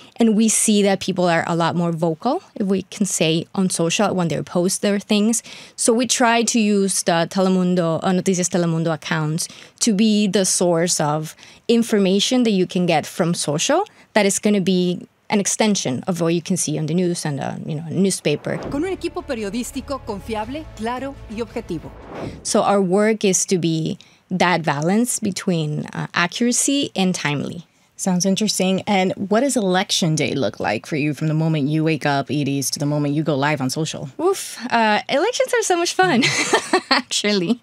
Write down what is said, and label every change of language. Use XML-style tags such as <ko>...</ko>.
<en>And we see that people are a lot more vocal, if we can say, on social when they post their things. So we try to use the Telemundo, Noticias Telemundo accounts to be the source of information that you can get from social that is going to be an extension of what you can see on the news and newspaper.</en> <es>Con un equipo periodístico confiable, claro y objetivo.</es> <en>So our work is to be that balance between accuracy and timely. Sounds interesting. And what does election day look like for you from the moment you wake up, Edie's, to the moment you go live on social? Oof. Elections are so much fun, actually.</en>